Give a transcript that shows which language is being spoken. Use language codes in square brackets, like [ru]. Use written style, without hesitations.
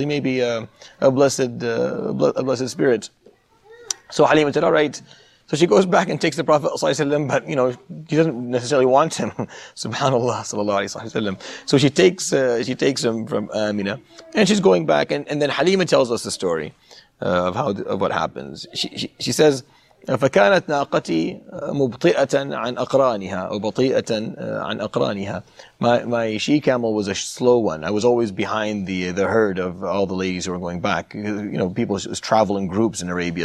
[en] He may be a blessed spirit. So Halima said, all right. So she goes back and takes the Prophet sallallahu alaihi wasallam, but she doesn't necessarily want him. Subhanallah sallallahu alaihi wasallam. So she takes him from Amina, and she's going back, and then Halima tells us the story of what happens. She says, [ar] فَكَانَتْ نَاقَتِي مُبْطِئَةً عَنْ أَقْرَانِهَا وَبَطِئَةً عَنْ أَقْرَانِهَا. [en] My she-camel was a slow one. I was always behind the herd of all the ladies who were going back. People travel in groups in Arabia.